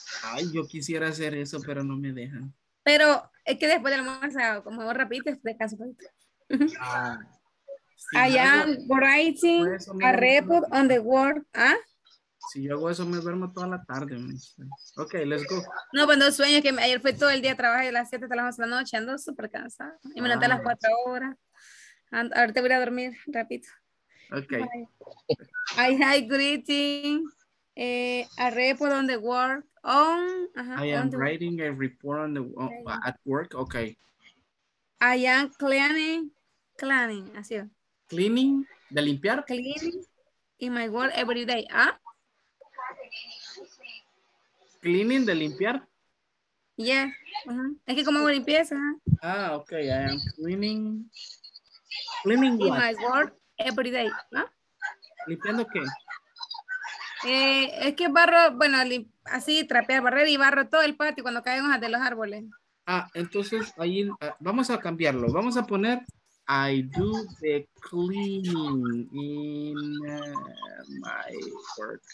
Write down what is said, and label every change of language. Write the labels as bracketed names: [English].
[Spanish] Ay, yo quisiera hacer eso, pero no me dejan. Pero es que después del almuerzo, como vos repites, de caso. [English] I am writing a report on the work. [Spanish] ¿Ah? Si yo hago eso, me duermo toda la tarde. [English] Ok, let's go. [Spanish] No, cuando sueño, que ayer fue todo el día trabajo de las 7 hasta las 11 de la noche, ando súper cansada. Y me levanté a las 4 horas. [English] And, [Spanish] ahorita voy a dormir, repito. [English] Ok. I am writing a report on the work. At work. Ok. I am cleaning, [Spanish] así es. Cleaning, de limpiar. [English] Cleaning in my work every day, [Spanish] ¿ah? Cleaning, de limpiar. Yeah, uh-huh. Es que como limpieza. [English] Ah, okay, I am cleaning in what? My work every day, [Spanish] ¿ah? ¿Limpiando qué? Es que barro, bueno, así trapear, barrer y barro todo el patio cuando caen hojas de los árboles. Ah, entonces ahí vamos a cambiarlo. Vamos a poner [English] I do the cleaning in my work.